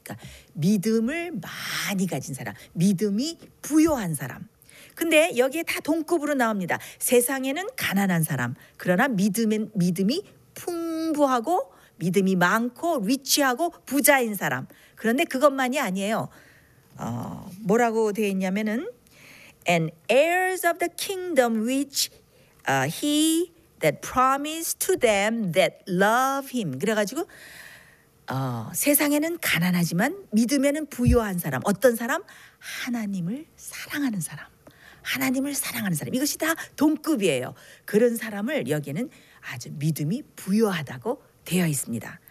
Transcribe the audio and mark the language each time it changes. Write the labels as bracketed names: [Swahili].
[Korean] 그러니까 믿음을 많이 가진 사람, 믿음이 부요한 사람. 근데 여기에 다 동급으로 나옵니다. 세상에는 가난한 사람, 그러나 믿음이 풍부하고 믿음이 많고 rich하고 부자인 사람. 그런데 그것만이 아니에요. 뭐라고 되어 있냐면은 [English] and heirs of the kingdom which he that promised to them that love him. [Korean] 그래가지고 세상에는 가난하지만 믿음에는 부요한 사람. 어떤 사람? 하나님을 사랑하는 사람. 하나님을 사랑하는 사람. 이것이 다 동급이에요. 그런 사람을 여기에는 아주 믿음이 부요하다고 되어 있습니다.